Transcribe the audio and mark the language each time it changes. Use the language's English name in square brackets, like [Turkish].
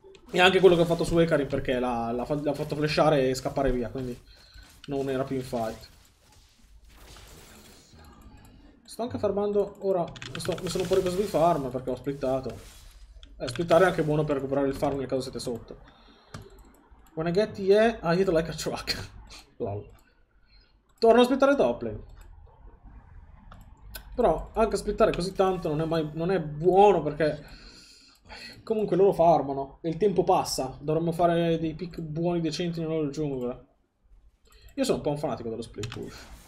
[Italian] E anche quello che ho fatto su Hecarim perché l'ha fatto flashare e scappare via, quindi non era più in fight. Sto anche farmando. Ora mi sono un po' ripreso di farm perché ho splittato. Splittare è anche buono per recuperare il farm nel caso siete sotto. [English] When I get the air, I hit like a truck. [Italian] Lol. Torno a splittare top lane. Però anche splittare così tanto non è buono perché. Comunque loro farmano e il tempo passa. Dovremmo fare dei pick buoni decenti nella loro giungla. Io sono un po' un fanatico dello split push.